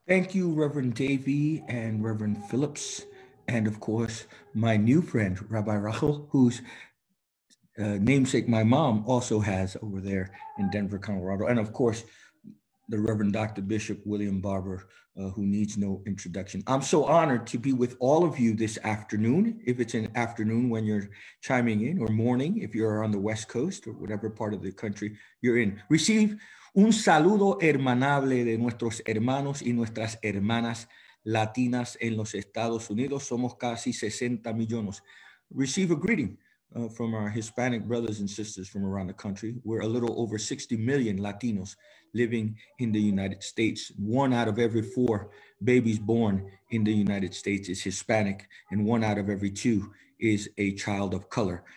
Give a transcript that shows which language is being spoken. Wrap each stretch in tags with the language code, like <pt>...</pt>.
<en>Thank you, Reverend Davey and Reverend Phillips, and of course, my new friend, Rabbi Rachel, whose namesake my mom also has over there in Denver, Colorado. And of course, the Reverend Dr. Bishop William Barber, who needs no introduction. I'm so honored to be with all of you this afternoon, if it's an afternoon when you're chiming in, or morning if you're on the West Coast or whatever part of the country you're in.</en> <es>Receive un saludo hermanable de nuestros hermanos y nuestras hermanas latinas en los Estados Unidos. Somos casi 60 millones.</es> <en>Receive a greeting from our Hispanic brothers and sisters from around the country. We're a little over 60 million Latinos living in the United States. 1 out of every 4 babies born in the United States is Hispanic, and 1 out of every 2 is a child of color.</en>